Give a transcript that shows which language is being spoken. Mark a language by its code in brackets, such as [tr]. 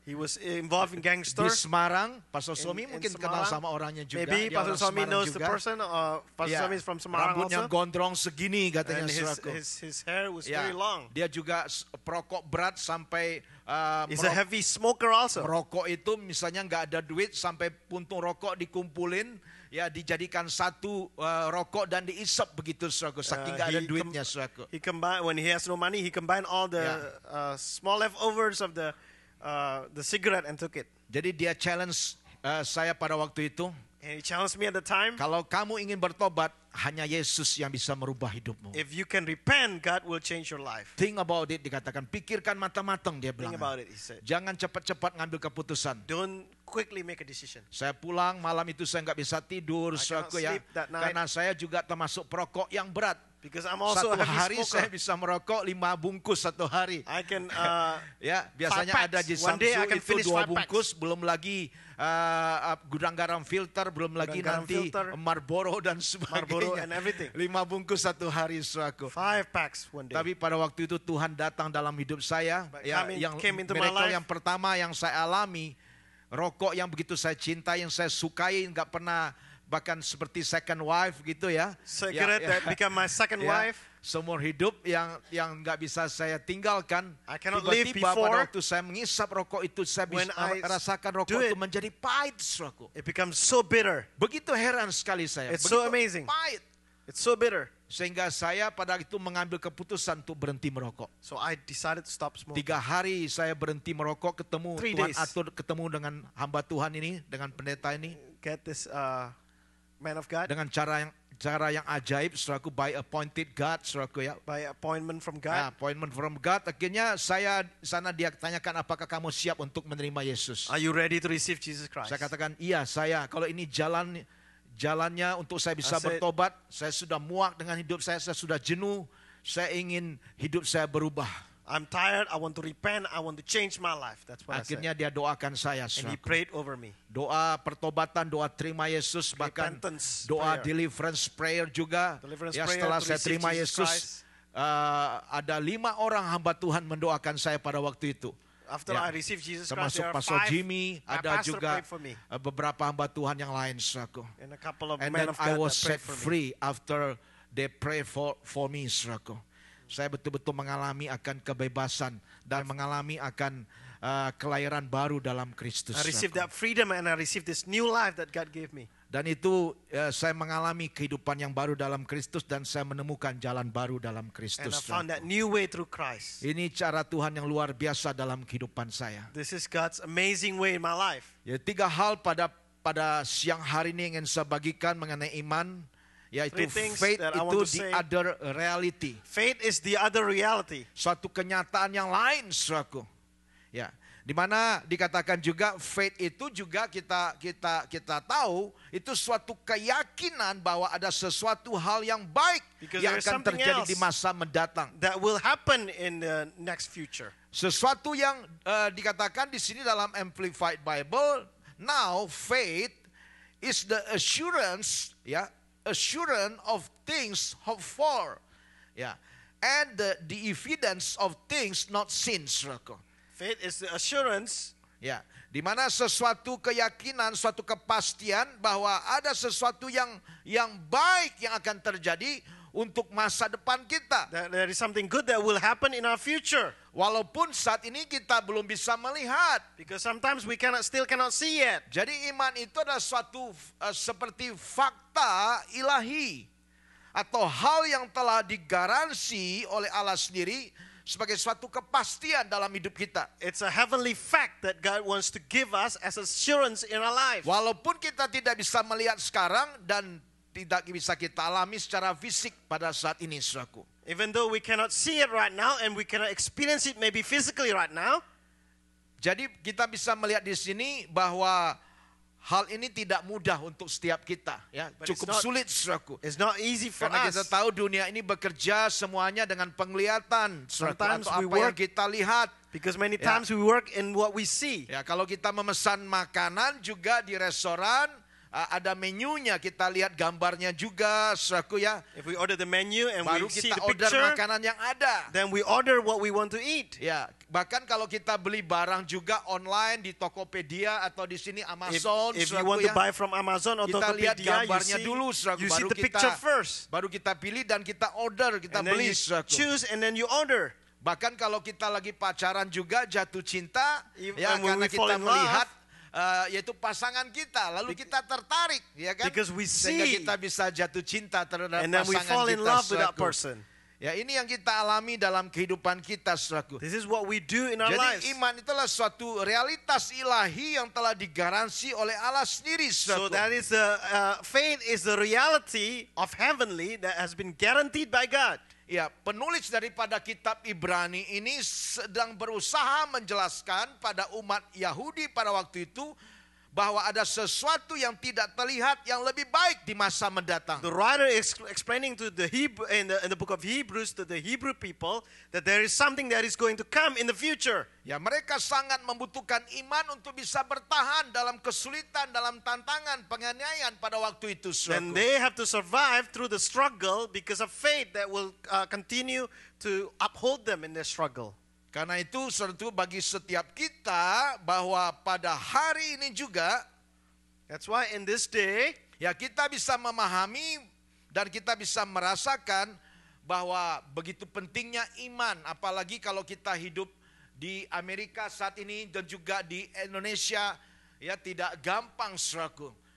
[en] He was involved in gangster. [id] Di Semarang, Pastor Somi mungkin Semarang. Kenal sama orangnya juga. [en] Maybe [id] dia [en] Pastor Somi knows [id] juga. [en] The person. Pastor Somi is from Semarang. [id] Rambutnya [en] also. [id] Gondrong segini katanya, [en] and [id] saudaraku. [en] His hair was very long. [id] Dia juga perokok berat sampai. [en] He's a heavy smoker also. [id] Merokok itu misalnya nggak ada duit sampai puntung rokok dikumpulin. Ya, dijadikan satu rokok dan diisap begitu, saudaraku. Saking gak ada duitnya, saudaraku. [en] He combine when he has no money, he combine all the small leftovers of the cigarette and took it. [id] Jadi dia challenge saya pada waktu itu. [en] And he challenged me at the time. [id] Kalau kamu ingin bertobat, hanya Yesus yang bisa merubah hidupmu. [en] If you can repent, God will change your life. Think about it, [id] dikatakan. Pikirkan matang-matang, dia bilang. [en] Think about it, he said. [id] Jangan cepat-cepat ngambil keputusan. [en] Don't quickly make a decision. [id] Saya pulang malam itu saya enggak bisa tidur, saudaraku, ya. Karena saya juga termasuk perokok yang berat. [en] Because I'm also [id] satu hari saya bisa merokok 5 bungkus satu hari. [en] I can [id] ya, biasanya ada di Samsu itu 2 bungkus, belum lagi gudang garam filter, belum lagi nanti Marlboro dan sebagainya. [en] Marlboro and everything. [id] 5 bungkus satu hari, saudaraku. [en] 5 packs one day. [id] Tapi pada waktu itu Tuhan datang dalam hidup saya, yang miracle yang pertama yang saya alami. Rokok yang begitu saya cinta, yang saya sukai, enggak pernah bahkan seperti [en] second wife [id] gitu ya. [en] Cigarette that become my second wife. [id] Seumur hidup yang enggak bisa saya tinggalkan. [en] I cannot live before. [id] Tiba-tiba pada waktu saya mengisap rokok itu, saya bisa merasakan rokok itu menjadi pahit, saudaraku. [en] It becomes so bitter. [id] Begitu heran sekali saya. [en] It's so amazing. [id] Pahit. [en] It's so bitter. [id] Sehingga saya pada itu mengambil keputusan untuk berhenti merokok. [en] So I decided to stop smoking. [id] 3 hari saya berhenti merokok, ketemu [en] Three [id] Tuhan [en] days. [id] Atur, ketemu dengan hamba Tuhan ini, dengan pendeta ini. [en] Get this man of God. [id] Dengan cara yang ajaib, saudaraku, [en] by appointed God, [id] saudaraku, ya. [en] By appointment from God. [id] Nah, [en] appointment from God. [id] Akhirnya saya sana dia tanyakan, apakah kamu siap untuk menerima Yesus? [en] Are you ready to receive Jesus Christ? [id] Saya katakan, iya saya, kalau ini jalannya untuk saya bisa bertobat, saya sudah muak dengan hidup saya sudah jenuh, saya ingin hidup saya berubah. [en] I'm tired, I want to repent, I want to change my life. That's what [id] akhirnya dia doakan saya. [en] And he prayed over me. [id] Doa pertobatan, doa terima Yesus, bahkan [en] repentance [id] doa [en] prayer. Deliverance prayer [id] juga. [en] Deliverance [id] ya, setelah saya terima Yesus, ada 5 orang hamba Tuhan mendoakan saya pada waktu itu. [en] After I receive Jesus Christ, [id] termasuk Pastor Jimmy, ada juga beberapa hamba Tuhan yang lain, saudaraku. [en] And then I was set free after they pray for me, [id] saudaraku. Saya betul-betul mengalami akan kebebasan dan mengalami akan kelahiran baru dalam Kristus. [en] I received that freedom and I received this new life that God gave me. [id] Dan itu saya mengalami kehidupan yang baru dalam Kristus dan saya menemukan jalan baru dalam Kristus. [en] And I found that new way through Christ. [id] Ini cara Tuhan yang luar biasa dalam kehidupan saya. [en] This is God's amazing way in my life. [id] Ya, 3 hal pada siang hari ini ingin saya bagikan mengenai iman, yaitu faith itu [en] the other reality. Faith is the other reality. [id] Suatu kenyataan yang lain, saudaraku. Ya. Di mana dikatakan juga faith itu juga kita tahu itu suatu keyakinan bahwa ada sesuatu hal yang baik [en] because [id] yang akan terjadi di masa mendatang. [en] That will happen in the next future. [id] Sesuatu yang dikatakan di sini dalam [en] Amplified Bible, now faith is the assurance, assurance of things hoped for, and the evidence of things not seen. Faith is the assurance. [id] Ya, di mana sesuatu keyakinan, suatu kepastian bahwa ada sesuatu yang baik yang akan terjadi untuk masa depan kita. [en] There is something good that will happen in our future. [id] Walaupun saat ini kita belum bisa melihat. [en] Because sometimes we cannot see yet. [id] Jadi iman itu adalah suatu seperti fakta ilahi atau hal yang telah digaransi oleh Allah sendiri. sebagai suatu kepastian dalam hidup kita. [en] It's a heavenly fact that God wants to give us as assurance in our life. [id] Walaupun kita tidak bisa melihat sekarang dan tidak bisa kita alami secara fisik pada saat ini, saudaraku. [en] Even though we cannot see it right now and we cannot experience it maybe physically right now. [id] Jadi kita bisa melihat di sini bahwa hal ini tidak mudah untuk setiap kita, ya. [en] But [id] cukup [en] it's not, [id] sulit, saudaraku. [en] It's not easy for [id] karena [en] us. [id] Karena kita tahu dunia ini bekerja semuanya dengan penglihatan, saudaraku, [en] sometimes [id] atau apa work, yang kita lihat. [en] Because many times we work in what we see. [id] Ya, kalau kita memesan makanan juga di restoran, ada menunya, kita lihat gambarnya juga, saudaraku, ya. [en] If we order the menu and [id] baru [en] we see the picture, [id] baru kita order makanan yang ada. [en] Then we order what we want to eat. [id] Ya, bahkan kalau kita beli barang juga online di Tokopedia atau di sini Amazon, [en] if you want to buy from Amazon or Tokopedia, [id] kita lihat gambarnya dulu, saudaraku, [en] you see the picture first. [id] Baru kita pilih dan kita order, kita [en] and [id] beli, [en] then you [id] saudaraku. [en] Choose and then you order. [id] Bahkan kalau kita lagi pacaran juga jatuh cinta, ya, karena kita melihat yaitu pasangan kita, lalu kita tertarik, ya kan? [en] Because we see, [id] sehingga kita bisa jatuh cinta terhadap pasangan kita. [en] And then we fall in love with that person. [id] Ya, ini yang kita alami dalam kehidupan kita, saudaraku. [en] This is what we do in our lives. [id] Jadi iman itulah suatu realitas ilahi yang telah digaransi oleh Allah sendiri, saudaraku. [en] So that is the faith is the reality of heavenly that has been guaranteed by God. [id] Ya, penulis daripada kitab Ibrani ini sedang berusaha menjelaskan pada umat Yahudi pada waktu itu bahwa ada sesuatu yang tidak terlihat yang lebih baik di masa mendatang. [en] The writer is explaining to the Hebrew in the book of Hebrews to the Hebrew people that there is something that is going to come in the future. [id] Ya, mereka sangat membutuhkan iman untuk bisa bertahan dalam kesulitan, dalam tantangan, penganiayaan pada waktu itu. [en] And they have to survive through the struggle because of faith that will continue to uphold them in their struggle. [id] Karena itu tentu bagi setiap kita bahwa pada hari ini juga, [en] that's why in this day, [id] ya, kita bisa memahami dan kita bisa merasakan bahwa begitu pentingnya iman, apalagi kalau kita hidup di Amerika saat ini dan juga di Indonesia, ya, tidak gampang, saudaraku.